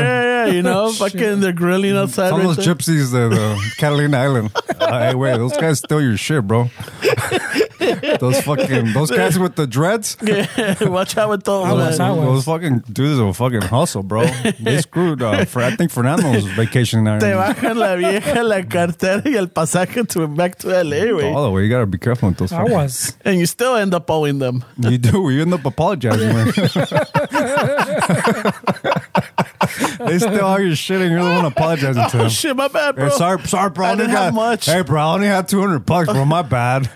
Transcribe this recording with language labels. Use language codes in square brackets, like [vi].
[en] Yeah, yeah, you know, fucking they're grilling outside. Some right of those there. Gypsies there, though. Catalina Island. Hey, wait, those guys steal your shit, bro. Those guys with the dreads. Yeah, watch out with those fucking dudes are fucking hustle, bro. They screwed I think Fernando was vacationing there. [es] Te bajan la vieja, la cartera y el pasaje [en] to back to LA, [es] wey. [en] All the way, you gotta be careful with those. I was. And you still end up owing them. You do, you end up apologizing, man. They steal all your shit and you're the one apologizing to them. Oh, shit, my bad, bro. Hey, sorry, bro. I didn't have much. Hey, bro, I only had $200, bro. My bad.